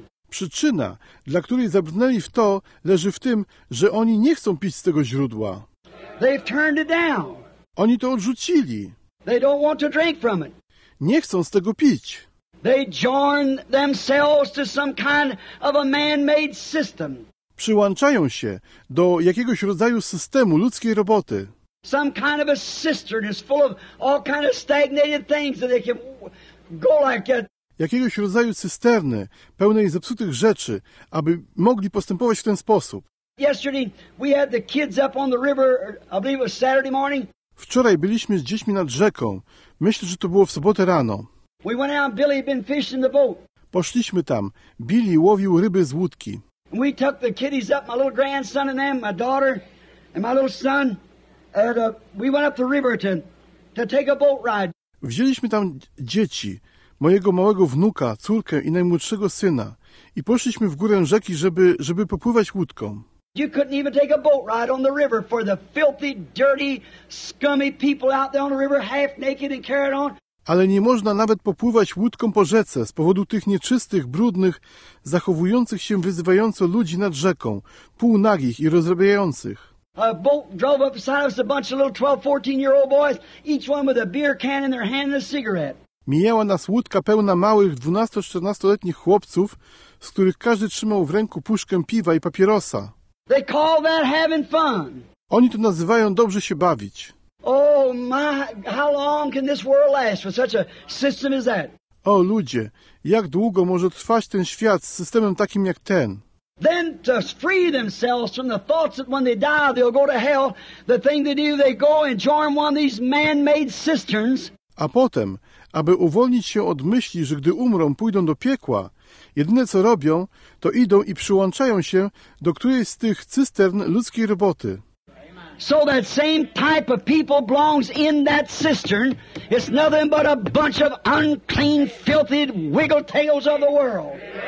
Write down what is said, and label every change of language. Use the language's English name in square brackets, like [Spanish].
[Polish] Przyczyna, dla której zabrnęli w to, leży w tym, że oni nie chcą pić z tego źródła. [English] They've turned it down. [Polish] Oni to odrzucili. [English] They don't want to drink from it. [Polish] Nie chcą z tego pić. [English] They join themselves to some kind of a man-made system. [Polish] Przyłączają się do jakiegoś rodzaju systemu ludzkiej roboty. [English] Some kind of a cistern is full of all kind of stagnated things that they can go like that. [Polish] Jakiegoś rodzaju cysterny pełnej zepsutych rzeczy, aby mogli postępować w ten sposób. [English] Yesterday we had the kids up on the river, I believe it was Saturday morning. [Polish] Wczoraj byliśmy z dziećmi nad rzeką. Myślę, że to było w sobotę rano. [English] We went out, Billy had been fishing the boat. [Polish] Poszliśmy tam. Billy łowił ryby z łódki. [English] We took the kiddies up, my little grandson and them, my daughter and my little son, and we went up the river to take a boat ride. [Polish] Wzięliśmy tam dzieci, mojego małego wnuka, córkę i najmłodszego syna i poszliśmy w górę rzeki, żeby popływać łódką. [English] You couldn't even take a boat ride on the river for the filthy, dirty, scummy people out there on the river, half naked and carried on. [Polish] Ale nie można nawet popływać łódką po rzece z powodu tych nieczystych, brudnych, zachowujących się wyzywająco ludzi nad rzeką, półnagich i rozrabiających. [English] A boat drove up beside us a bunch of little 12-14-year-old boys, each one with a beer can in their hand and a cigarette. [Polish] Mijała nas łódka pełna małych 12-14-letnich chłopców, z których każdy trzymał w ręku puszkę piwa i papierosa. [English] They call that having fun. [Polish] Oni to nazywają dobrze się bawić. [English] Oh my, how long can this world last with such a system as that? [Polish] O ludzie, jak długo może trwać ten świat z systemem takim jak ten? [English] Then to free themselves from the thoughts that when they die they'll go to hell, the thing they do, they go and join one of these man-made cisterns. [Polish] A potem, aby uwolnić się od myśli, że gdy umrą, pójdą do piekła, jedyne co robią, to idą i przyłączają się do którejś z tych cystern ludzkiej roboty. [English] So that same type of people belongs in that cistern. It's nothing but a bunch of unclean, filthy wiggletails of the world.